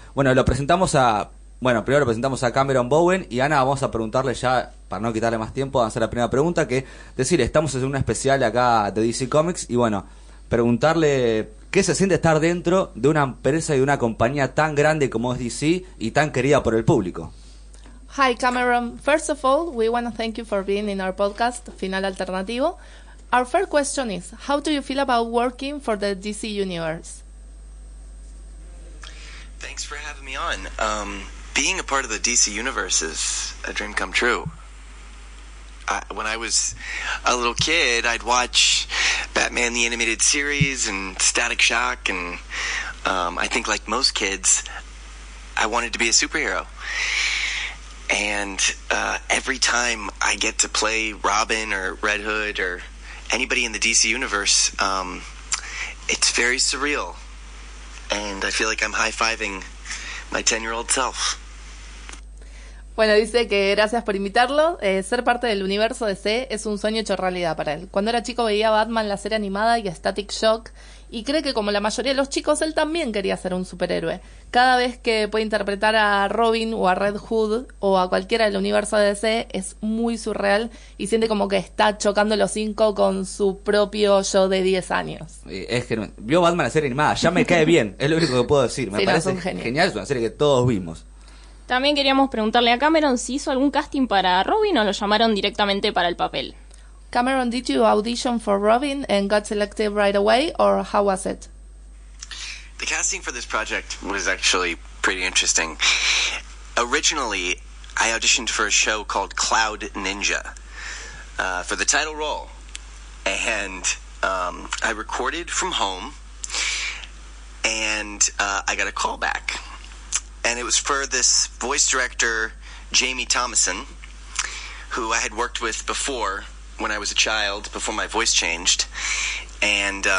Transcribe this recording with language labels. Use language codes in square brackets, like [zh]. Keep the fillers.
[es] Bueno, lo presentamos a, bueno, primero lo presentamos a Cameron Bowen y Ana, vamos a preguntarle ya, para no quitarle más tiempo, vamos a hacer la primera pregunta, que decirle, estamos en una especial acá de DC Comics y bueno, preguntarle qué se siente estar dentro de una empresa y de una compañía tan grande como es DC y tan querida por el público. [en] Hi, Cameron. First of all, we want to thank you for being in our podcast, Final Alternativo. Our first question is How do you feel about working for the DC Universe? Thanks for having me on. Um, being a part of the DC universe is a dream come true. I, when I was a little kid, I'd watch Batman the animated series and Static Shock, and um, I think, like most kids, I wanted to be a superhero. And uh, every time I get to play Robin or Red Hood or anybody in the DC universe, um, it's very surreal and I feel like I'm high fiving my 10 year old self. [es] Bueno, dice que gracias por invitarlo. Eh, ser parte del universo DC es un sueño hecho realidad para él. Cuando era chico veía a Batman, la serie animada y a Static Shock y cree que como la mayoría de los chicos él también quería ser un superhéroe. Cada vez que puede interpretar a Robin o a Red Hood o a cualquiera del universo de DC es muy surreal y siente como que está chocando los cinco con su propio yo de 10 años. Eh, Es que no- vio Batman la serie animada, ya me cae bien, es lo único que puedo decir. Me Sí, no, es parece un genio. genial, es una serie que todos vimos. También queríamos preguntarle a Cameron si hizo algún casting para Robin o lo llamaron directamente para el papel. [en] Cameron, did you audition for Robin and got selected right away or how was it? The casting for this project was actually pretty interesting. Originally, I auditioned for a show called Cloud Ninja uh, for the title role, and um, I recorded from home, and uh, I got a call back, and it was for this voice director, Jamie Thomason, who I had worked with before when I was a child, before my voice changed, and.